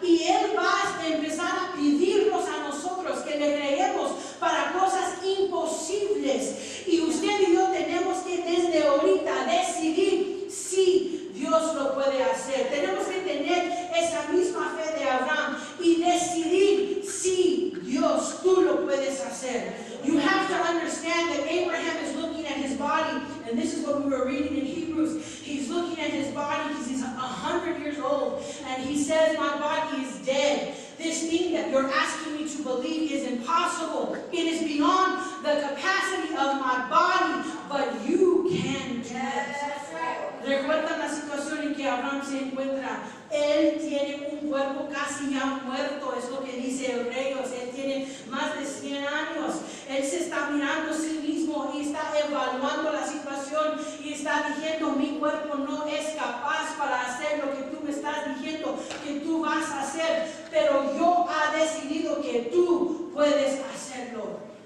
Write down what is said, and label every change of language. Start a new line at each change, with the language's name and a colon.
Spanish: Y Él va a empezar a pedirnos a nosotros que le creemos para cosas imposibles. Y usted y yo tenemos que desde ahorita decidir si Dios lo puede hacer. Tenemos que tener esa misma fe de Abraham y decidir si Dios, tú lo puedes hacer.
English: You have to understand that Abraham is looking at his body, and this is what we were reading in Hebrews. He's looking at his body because he's 100 years old, and he says, my body is dead. This thing that you're asking me to believe is impossible. It is beyond the capacity of my body, but you can do it.
Spanish: Recuerda la situación en que Abraham se encuentra. Él tiene un cuerpo casi ya muerto, es lo que dice Hebreos. Él tiene más de 100 años. Él se está mirando a sí mismo y está evaluando la situación y está diciendo, mi cuerpo no es capaz para hacer lo que tú me estás diciendo que tú vas a hacer, pero yo he decidido que tú puedes hacerlo.